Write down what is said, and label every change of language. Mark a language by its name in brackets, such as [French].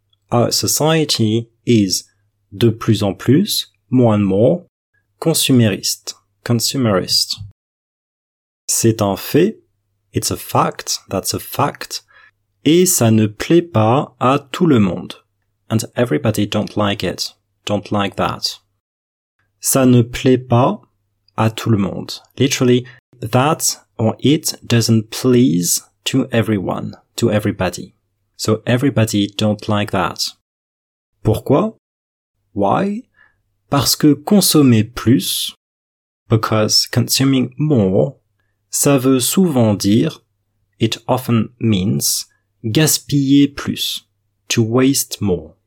[English] Our society is [French] de plus en plus, [English] more and more, [French] consumériste, [English] consumerist. [French] C'est un fait, [English] it's a fact, that's a fact, [French] et ça ne plaît pas à tout le monde. [English] And everybody don't like it, don't like that. [French] Ça ne plaît pas à tout le monde. [English] Literally, that or it doesn't please to everyone, to everybody. So everybody don't like that. [French] Pourquoi? [English] Why? [French] Parce que consommer plus, [English] because consuming more, [French] ça veut souvent dire, [English] it often means, [French] gaspiller plus, [English] to waste more.